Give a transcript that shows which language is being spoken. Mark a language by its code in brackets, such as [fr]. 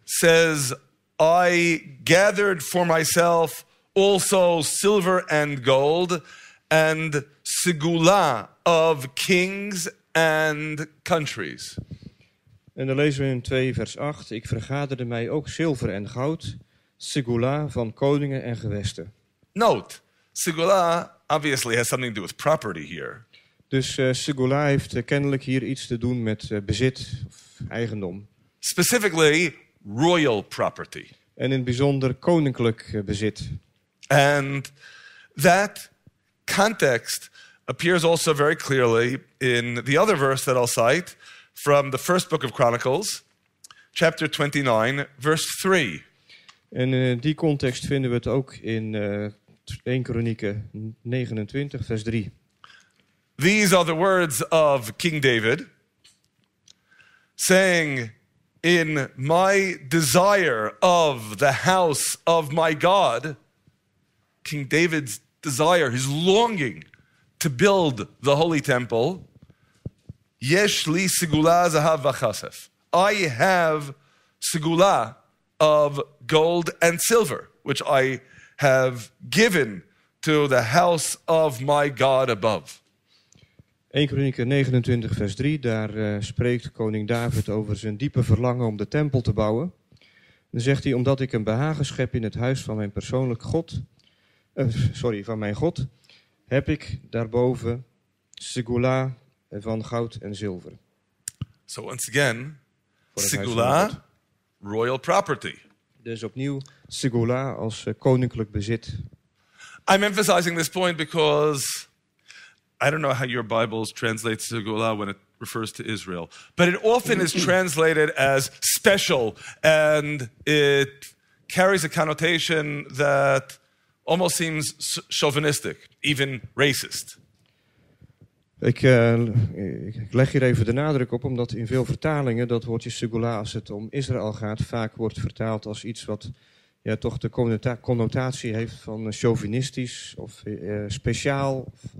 [en] Says, "I gathered for myself also silver and gold and segula of kings and countries." [nl] En dan lezen we in 2 vers 8. "Ik vergaderde mij ook zilver en goud, segula van koningen en gewesten." [en] Note, segula obviously has something to do with property here. [nl] Dus segula heeft kennelijk hier iets te doen met bezit of eigendom. [en] Specifically, royal property. [nl] En in het bijzonder koninklijk bezit. [en] And that context appears also very clearly in the other verse that I'll cite from the first book of Chronicles, chapter 29, verse 3. [nl] En in die context vinden we het ook in 1 Kronieken 29, vers 3. [en] These are the words of King David saying, "In my desire of the house of my God," King David's desire, his longing to build the holy temple, [he] Yesh li sigula zahav v'chasef. [en] I have sigula of gold and silver, which I have given to the house of my God above. [nl] 1 Kronieken 29, vers 3, daar spreekt koning David over zijn diepe verlangen om de tempel te bouwen. Dan zegt hij, omdat ik een behagen schep in het huis van mijn persoonlijk God, van mijn God, heb ik daarboven sigula van goud en zilver. [en] So once again, sigula, royal property. [nl] Dus opnieuw sigula als koninklijk bezit. [en] I'm emphasizing this point because I don't know how your Bibles translate segula when it refers to Israel, but it often is translated as special, and it carries a connotation that almost seems chauvinistic, even racist. [nl] Ik leg hier even de nadruk op, omdat in veel vertalingen dat woordje segula, als het om Israël gaat, vaak wordt vertaald als iets wat ja, toch de connotatie heeft van chauvinistisch of speciaal.